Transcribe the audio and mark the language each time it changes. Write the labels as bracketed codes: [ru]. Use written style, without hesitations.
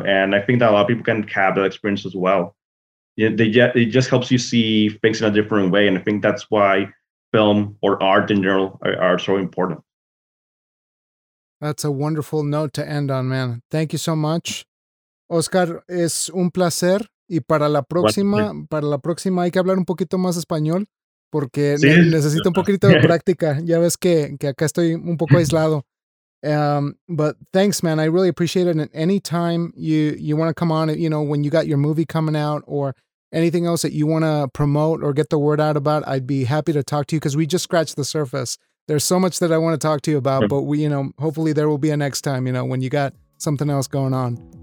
[en] And I think that a lot of people can have that experience as well. It just helps you see things in a different way. And I think that's why film or art in general are so important. That's a wonderful note to end on, man. Thank you so much. Oscar, [es] es un placer. Y para la próxima hay que hablar un poquito más español, porque necesito un poquito de práctica. Ya ves que acá estoy un poco aislado. [en] But thanks, man. I really appreciate it. And anytime you want to come on, you know, when you got your movie coming out or anything else that you want to promote or get the word out about, I'd be happy to talk to you because we just scratched the surface. There's so much that I want to talk to you about, but we, you know, hopefully there will be a next time, you know, when you got something else going on.